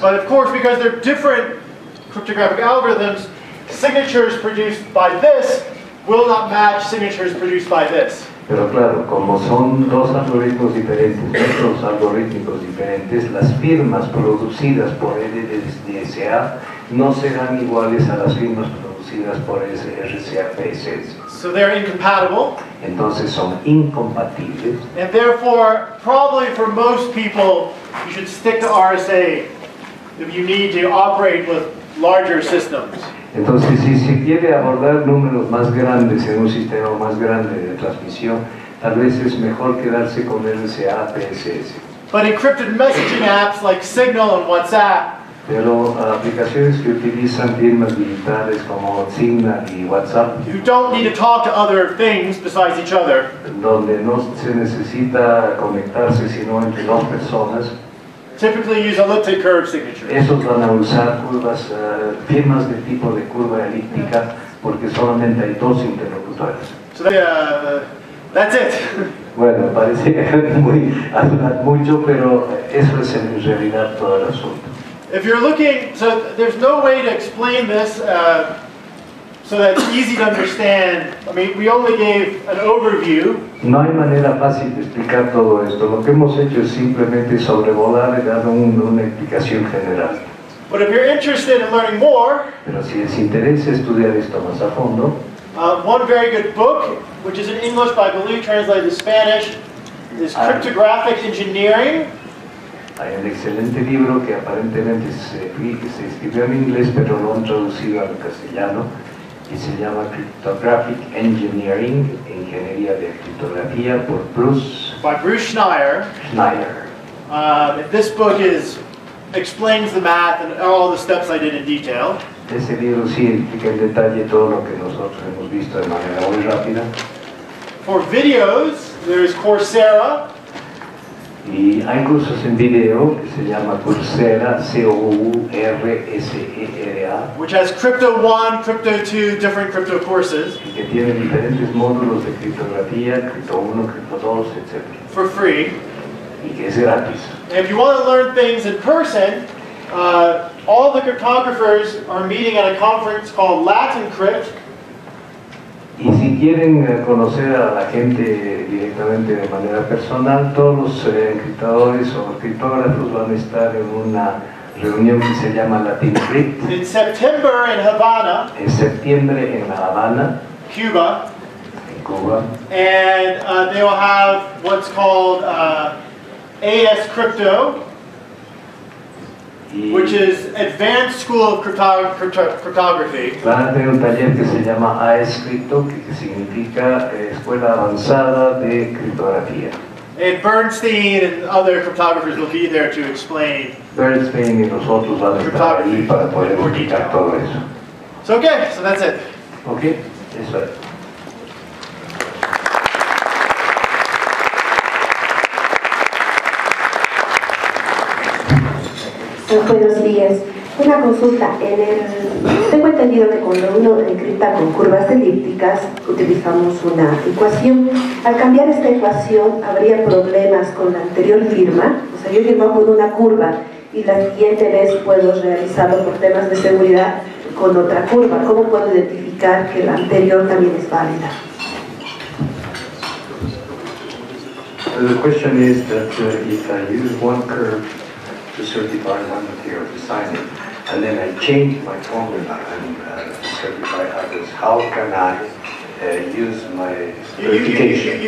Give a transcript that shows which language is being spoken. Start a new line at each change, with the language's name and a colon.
English: But of course, because they're different cryptographic algorithms, signatures produced by this will not match signatures produced by this.
Spanish: Pero claro, como son dos algoritmos diferentes, otros algorítmicos diferentes, las firmas producidas por LDSA no serán iguales a las firmas producidas por RCAPS.
English: So they're incompatible.
Spanish: Entonces son incompatibles.
English: And therefore, probably for most people, you should stick to RSA if you need to operate with larger systems.
Spanish: Entonces, si se quiere abordar números más grandes en un sistema más grande de transmisión, tal vez es mejor quedarse con RCAPSS.
English: But encrypted messaging apps like Signal and WhatsApp.
Spanish: Pero aplicaciones que utilizan firmas digitales como Signal y WhatsApp.
English: You don't need to talk to other things besides each other.
Spanish: Donde no se necesita conectarse sino entre dos personas.
English: Typically use elliptic curve signatures.
Spanish: Esos van a usar curvas, firmas de tipo de curva elíptica, porque solamente hay dos interlocutores.
English: So that's it.
Spanish: Bueno, parece muy hablar mucho, pero eso es en realidad todo el asunto.
English: If you're looking, so there's no way to explain this so that it's easy to understand. I mean, we only gave an overview.
Spanish: No hay manera fácil de explicar todo esto. Lo que hemos hecho es simplemente sobrevolar y dar una explicación general.
English: But if you're interested in learning more,
Spanish: pero si les interesa estudiar esto más a fondo,
English: one very good book, which is in English but I believe translated to Spanish, is Cryptographic Engineering.
Spanish: Hay un excelente libro que aparentemente se escribió en inglés pero lo han traducido al castellano. Y se llama Cryptographic Engineering, Ingeniería de Criptografía, por Bruce...
English: By Bruce Schneier.
Spanish: Schneier.
English: This book explains the math and all the steps I did in detail.
Spanish: Ese libro sí explica en detalle todo lo que nosotros hemos visto de manera muy rápida.
English: For videos, there is Coursera.
Spanish: Y hay cursos en video que se llama Coursera, C-O-U-R-S-E-R-A.
English: Which has Crypto 1, Crypto 2, different crypto courses.
Spanish: Y que tiene diferentes módulos de criptografía, Crypto 1, Crypto 2, etc.
English: For free.
Spanish: Y que es gratis.
English: And if you want to learn things in person, all the cryptographers are meeting at a conference called Latin Crypt.
Spanish: Y si quieren conocer a la gente directamente de manera personal, todos los encriptadores o criptógrafos van a estar en una reunión que se llama Latin Crypt.
English: In September in Havana.
Spanish: En septiembre en La Habana.
English: Cuba.
Spanish: En Cuba.
English: And they will have what's called AS Crypto, which is Advanced School of Cryptography.
Spanish: Van a tener un taller que se llama AS Crypto, que significa Escuela Avanzada de Criptografía.
English: And Bernstein and other cryptographers will be there to explain.
Spanish: Bernstein y nosotros van a estar ahí para poder explicar todo eso.
English: So okay, so that's it.
Spanish: Okay, eso es. Buenos días. Una consulta. Tengo entendido que cuando uno encripta con curvas elípticas, utilizamos una ecuación. Al cambiar esta ecuación, ¿habría problemas con la anterior firma? O sea, yo firmo con una curva y la siguiente vez puedo realizarlo por temas de seguridad con otra curva. ¿Cómo puedo identificar que la anterior también es válida?
English: The question is that if I use one curve to certify one material design it, and then I change my formula and certify others, how can I use my certification?